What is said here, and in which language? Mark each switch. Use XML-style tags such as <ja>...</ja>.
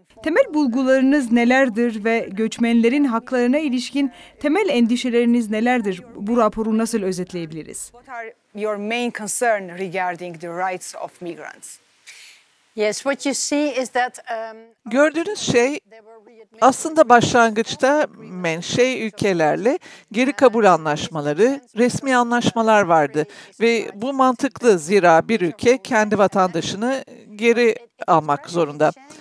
<tr>Temel bulgularınız nelerdir ve göçmenlerin haklarına ilişkin temel endişeleriniz nelerdir? Bu raporu nasıl özetleyebiliriz?</tr> <en>What are your main concern regarding the rights of migrants? Yes, what you see is that</en> <tr>gördüğünüz şey aslında başlangıçta menşe ülkelerle geri kabul anlaşmaları, resmi anlaşmalar vardı ve bu mantıklı zira bir ülke kendi vatandaşını geri almak zorunda.</tr>